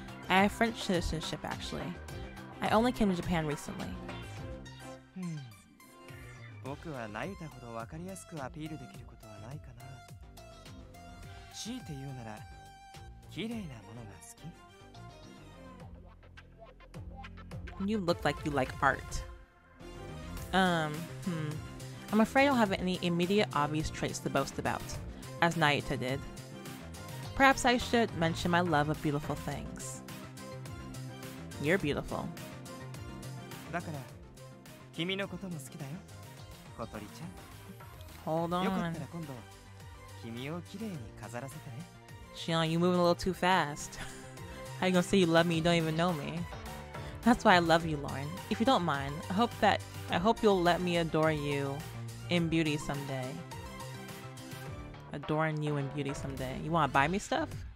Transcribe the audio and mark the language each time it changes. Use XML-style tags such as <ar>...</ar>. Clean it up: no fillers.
<en>I have French citizenship actually. I only came to Japan recently.</en> <ja>僕はナユタほどわかりやすくアピールできることはないかな。強いて言うなら、綺麗なものが好き。</ja> <en>You look like you like art. I'm afraid I don't have any immediate obvious traits to boast about, as Naita did. Perhaps I should mention my love of beautiful things. You're beautiful.</en> <ja>だから、君のことも好きだよ、小鳥ちゃん。</ja> <en>Hold on.</en> <ja>よかったら今度、君を綺麗に飾らせてね。</ja> <en>Shion, you're moving a little too fast. How are you gonna say you love me, you don't even know me? That's why I love you, Lauren. If you don't mind, I hope you'll let me adore you in beauty someday. Adoring you in beauty someday. You want to buy me stuff?</en>